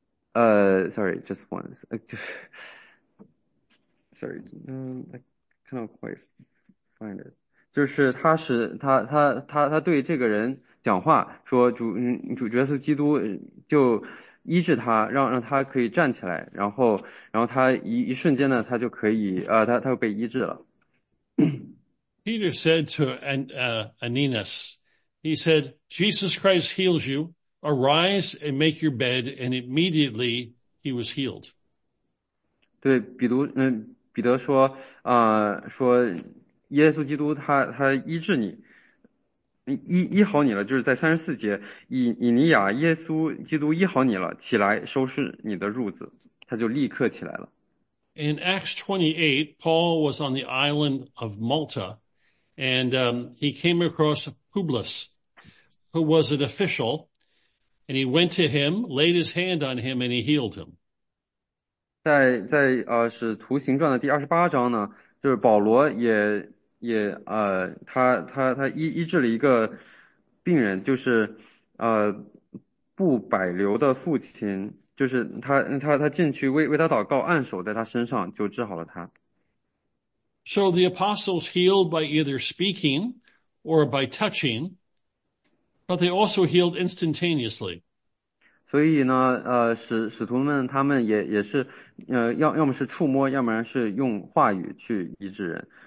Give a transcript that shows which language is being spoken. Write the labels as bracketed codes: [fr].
[zh] 就去到这个地方，他就是给一个躺在8年，就是说他一直瘫痪了8年的一个人，他就跟他说，让他， [en] sorry, just once, sorry, I cannot quite find it. [zh] 就是他使他他他他对这个人讲话说主耶稣基督就医治他让他可以站起来，然后他一瞬间呢他就可以他就被医治了。 [en] Peter said to Ananias, he said, Jesus Christ heals you. Arise and make your bed. And immediately he was healed. [zh] 对，彼得说说。耶稣基督他医治你，医好你了，就是在34节，以尼亚，耶稣基督医好你了，起来收拾你的褥子，他就立刻起来了。 [en] In Acts 28, Paul was on the island of Malta. And he came across Publius, who was an official, and he went to him, laid his hand on him, and he healed him. [zh] 在使徒行传的第28章呢，就是保罗也。也他医治了一个病人，就是布柏流的父亲，就是他进去为他祷告，按手在他身上就治好了他。 [en] So the apostles healed by either speaking or by touching, but they also healed instantaneously. [zh] 所以呢，使徒们他们也是要么是触摸，要不然是用话语去医治人。